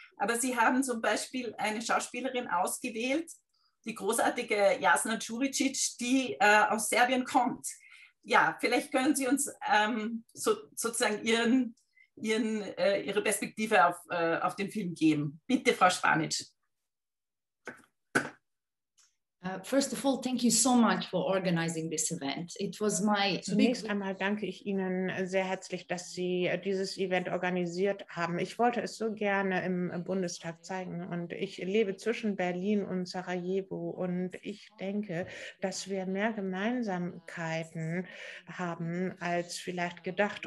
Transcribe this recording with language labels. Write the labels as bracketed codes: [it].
[de] Aber Sie haben zum Beispiel eine Schauspielerin ausgewählt, die großartige Jasna Djuricic, die aus Serbien kommt. Ja, vielleicht können Sie uns sozusagen Ihre Perspektive auf den Film geben. Bitte, Frau Spanic. [en] First of all, thank you so much for organizing this event. It was my... [de] Zunächst einmal danke ich Ihnen sehr herzlich, dass Sie dieses Event organisiert haben. Ich wollte es so gerne im Bundestag zeigen und ich lebe zwischen Berlin und Sarajevo und ich denke, dass wir mehr Gemeinsamkeiten haben als vielleicht gedacht.